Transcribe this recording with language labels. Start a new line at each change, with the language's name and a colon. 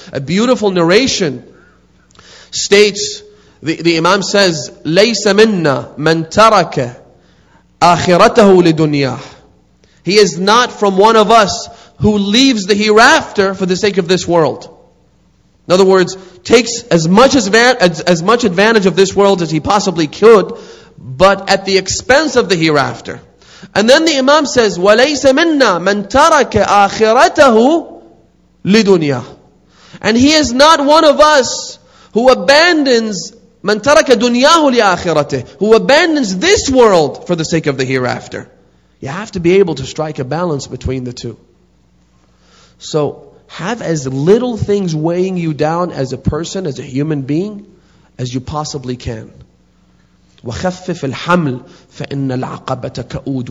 English: A beautiful narration states, the Imam says,
Arabic: لَيْسَ مِنَّا مَنْ تَرَكَ آخِرَتَهُ لِدُنْيَاهُ.
English: He is not from one of us who leaves the hereafter for the sake of this world. In other words, takes as much advantage of this world as he possibly could, but at the expense of the hereafter. And then the Imam says,
Arabic: وَلَيْسَ مِنَّا مَنْ تَرَكَ آخِرَتَهُ لِدُنْيَاهُ.
English: And he is not one of us who abandons
Arabic: مَنْ تَرَكَ دُنْيَاهُ لِآخِرَتِهِ,
English: who abandons this world for the sake of the hereafter. You have to be able to strike a balance between the two. So have as little things weighing you down as a person, as a human being, as you possibly can.
Arabic: وخفف الحمل فإن العقبة كؤود.